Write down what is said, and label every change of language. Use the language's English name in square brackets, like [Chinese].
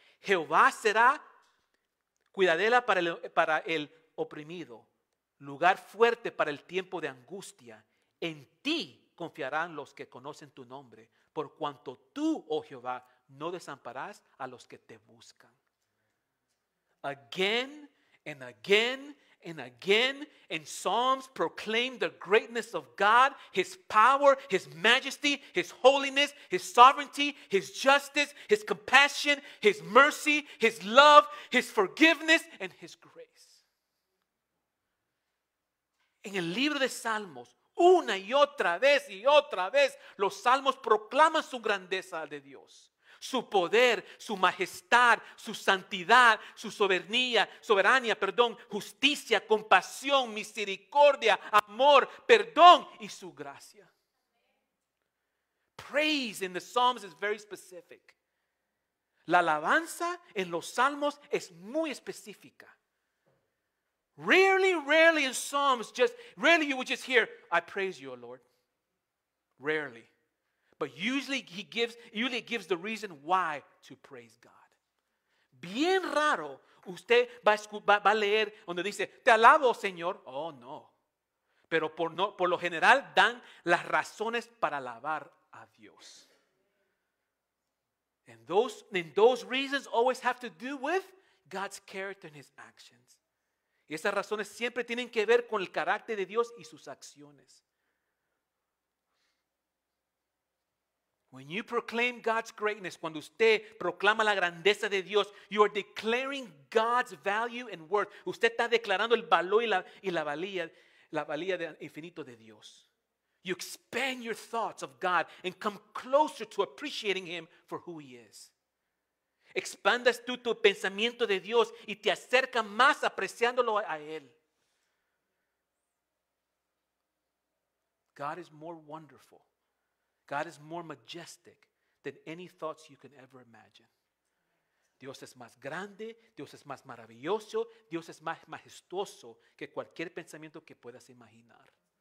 [Spanish] Jehová será cuidadela para el oprimido, lugar fuerte para el tiempo de angustia. En ti confiarán los que conocen tu nombre, por cuanto tú, oh Jehová, no desamparás a los que te buscan. [English] Again and again and again in Psalms proclaim the greatness of God, His power, His majesty, His holiness, His sovereignty, His justice, His compassion, His mercy, His love, His forgiveness, and His grace. [Spanish] En el libro de Salmos, una y otra vez, los Salmos proclaman su grandeza de Dios. Su poder, su majestad, su santidad, su soberanía, justicia, compasión, misericordia, amor, perdón y su gracia. [English] Praise in the Psalms is very specific. [Spanish] La alabanza en los Salmos es muy específica. [English] Rarely in Psalms, rarely you would just hear, I praise you, O Lord. Rarely. But usually gives the reason why to praise God. [Spanish] Bien raro, usted va a leer donde dice, te alabo, Señor. Oh, no. Pero por lo general dan las razones para alabar a Dios. [English] And those reasons always have to do with God's character and His actions. [Spanish] Y esas razones siempre tienen que ver con el carácter de Dios y sus acciones. [English] When you proclaim God's greatness, [Spanish] cuando usted proclama la grandeza de Dios, [English] you are declaring God's value and worth. [Spanish] Usted está declarando el valor y la valía de infinito de Dios. [English] You expand your thoughts of God and come closer to appreciating Him for who He is. [Spanish] Expandas tú tu pensamiento de Dios y te acerca más apreciándolo a Él. [English] God is more wonderful. God is more majestic than any thoughts you can ever imagine. [Spanish] Dios es más grande, Dios es más maravilloso, Dios es más majestuoso que cualquier pensamiento que puedas imaginar.